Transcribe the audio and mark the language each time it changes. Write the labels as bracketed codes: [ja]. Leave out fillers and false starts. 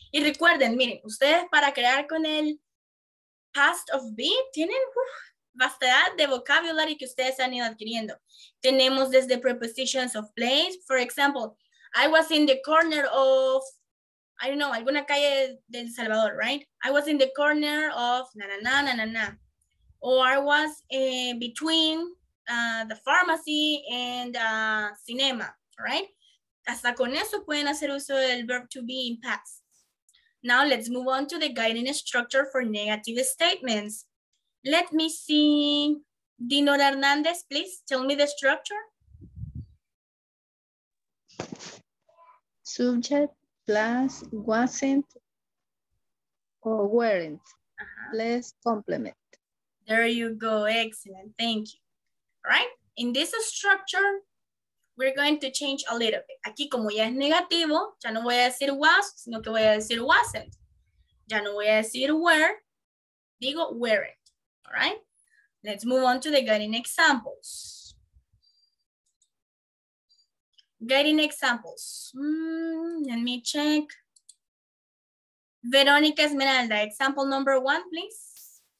[es] Y recuerden, miren, ustedes para crear con el past of be, tienen vastedad de vocabulary que ustedes han ido adquiriendo. Tenemos desde prepositions of place. [en] For example, I was in the corner of, I don't know, [es] alguna calle del Salvador, [en] right? I was in the corner of na na na na na na. Or I was between the pharmacy and cinema, right? [es] Hasta con eso pueden hacer uso del verb to be in past. [en] Now let's move on to the guiding structure for negative statements. Let me see, Dino Hernandez, please tell me the structure. Subject plus wasn't or weren't, plus complement. There you go, excellent, thank you. All right, in this structure, we're going to change a little bit. [es] Aquí como ya es negativo, ya no voy a decir was, sino que voy a decir wasn't. Ya no voy a decir were, digo weren't, all right? [en] Let's move on to the guiding examples. Guiding examples, let me check. Veronica Esmeralda, example number one, please.